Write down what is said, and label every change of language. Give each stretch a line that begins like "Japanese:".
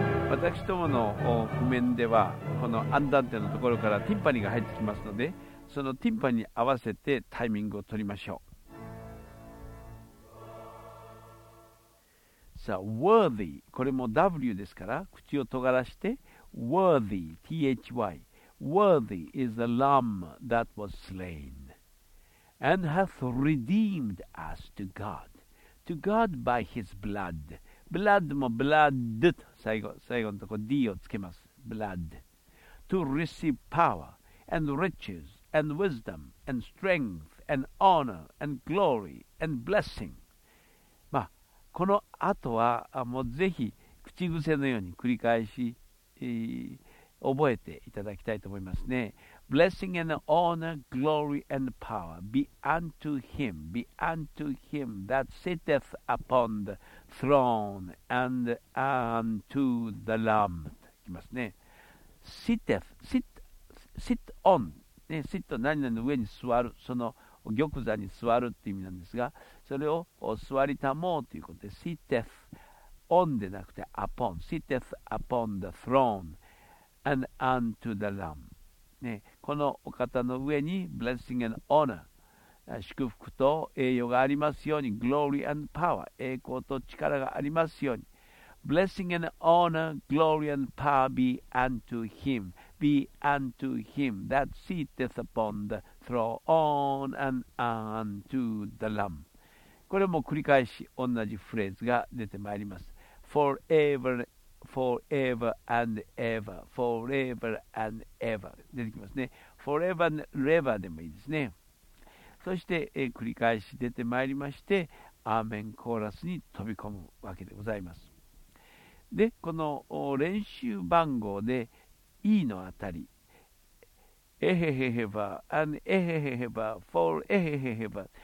Japanese: 私どもの譜面ではこのアンダンテのところからティンパニが入ってきますので、そのティンパニに合わせてタイミングを取りましょう。さあ、
English: worthy、
Japanese: これも W ですから、口を尖らして、
English: worthy、THY、worthy is the lamb that was slain, and hath redeemed us to God, to God by his blood.
Japanese: Blood も blood と、最後のとこ D をつけます。
English: blood. To receive power, and riches, and wisdom, and strength, and honor, and glory, and blessing.
Japanese: この後はもうぜひ口癖のように繰り返し、覚えていただきたいと思いますね。
English: Blessing and honor, glory and power be unto him, be unto him that sitteth upon the throne and unto the lamb.
Japanese: いきますね。 Sitteth, sit on、ね、sit 何々の上に座る、その玉座に座るという意味なんですが、それを座りたもうということで、sitteth
English: on
Japanese: でなくて
English: upon、sitteth upon the throne and unto the lamb、
Japanese: ね、このお方の上に
English: blessing and honor、
Japanese: 祝福と栄誉がありますように、
English: glory and power、
Japanese: 栄光と力がありますように、
English: blessing and honor, glory and power be unto him、 be unto him that sitteth upon the throne and unto the lamb。
Japanese: これも繰り返し同じフレーズが出てまいります。
English: Forever, forever and ever, forever and ever
Japanese: 出てきますね。
English: Forever and ever
Japanese: でもいいですね。そして繰り返し出てまいりまして、アーメンコーラスに飛び込むわけでございます。で、この練習番号で E のあたり、えへへへば、and えへへへば、for えへへへば。